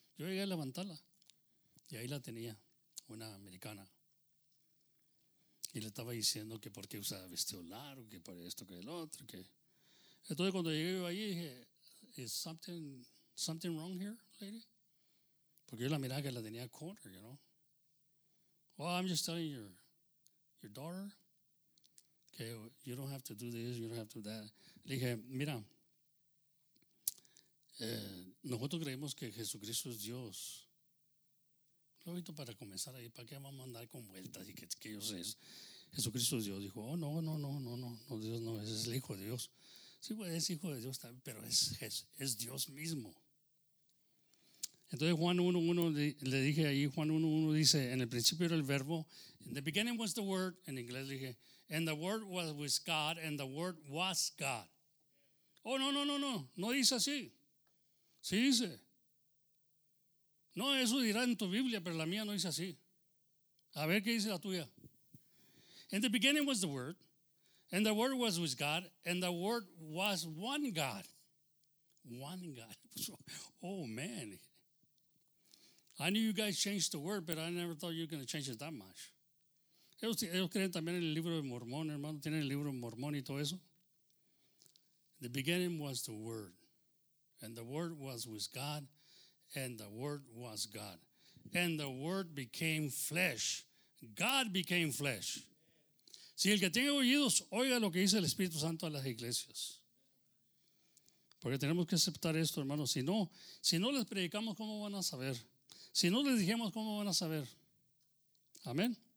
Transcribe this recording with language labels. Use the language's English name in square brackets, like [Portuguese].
[Spanish] Yo llegué a levantarla y ahí la tenía, una americana. Y le estaba diciendo que por qué usaba vestido largo, que por esto, que el otro. Que... Entonces cuando llegué yo ahí dije, [English] is something wrong here, lady? [Spanish] Porque yo la miraba que la tenía [English] corner, you know. Well, I'm just telling your daughter, que you don't have to do this, you don't have to do that. [Spanish] Le dije, mira, nosotros creemos que Jesucristo es Dios. Lo he visto para comenzar ahí, ¿para qué vamos a andar con vueltas y que yo sé? Jesucristo es Dios. Dijo, oh, no, Dios no, ese es el Hijo de Dios. Sí, pues es Hijo de Dios también, pero es Dios mismo. Entonces Juan 1:1 le dije ahí, Juan 1:1 dice, en el principio era el verbo, [English] in the beginning was the word, [Spanish] en inglés dije, [English] and the word was with God, and the word was God. [Spanish] Oh, no dice así. Sí dice. No, eso dirá en tu Biblia, pero la mía no dice así. A ver qué dice la tuya. [English] In the beginning was the Word, and the Word was with God, and the Word was one God. One God. Oh, man. I knew you guys changed the Word, but I never thought you were going to change it that much. [Spanish] Ellos creen también en el libro de Mormón, hermano. Tienen el libro de Mormón y todo eso. [English] The beginning was the Word. And the Word was with God, and the Word was God. And the Word became flesh. God became flesh. [Spanish] Si el que tiene oídos, oiga lo que dice el Espíritu Santo a las iglesias. Porque tenemos que aceptar esto, hermanos. Si no les predicamos, ¿cómo van a saber? Si no les dijimos, ¿cómo van a saber? Amén.